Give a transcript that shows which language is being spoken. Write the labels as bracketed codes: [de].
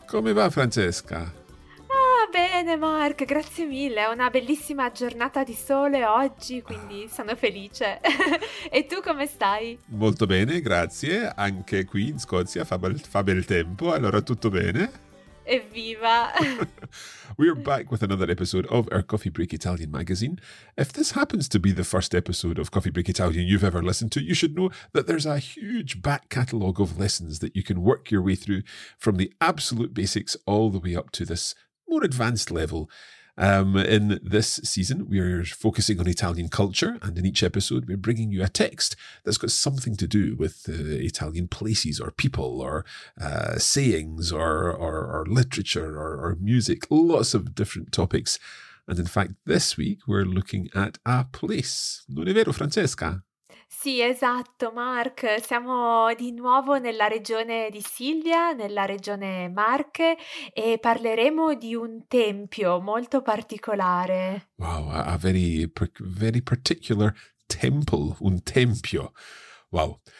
[it] Come va Francesca? Ah, bene Mark, grazie mille. È una bellissima giornata di sole oggi, quindi sono felice. E tu come stai? Molto bene, grazie. Anche qui in Scozia fa bel tempo, allora tutto bene. Evviva! [en] We are back with another episode of our Coffee Break Italian magazine. If this happens to be the first episode of Coffee Break Italian you've ever listened to, you should know that there's a huge back catalogue of lessons that you can work your way through from the absolute basics all the way up to this more advanced level. In this season, we are focusing on Italian culture, and in each episode, we're bringing you a text that's got something to do with Italian places or people or sayings or literature or music, lots of different topics. And in fact, this week, we're looking at a place. [it] Non è vero, Francesca? Sì, esatto, Mark. Siamo di nuovo nella regione di Siglia, nella regione Marche, e parleremo di un tempio molto particolare. [en] Wow, a very, very particular temple, un tempio. Wow.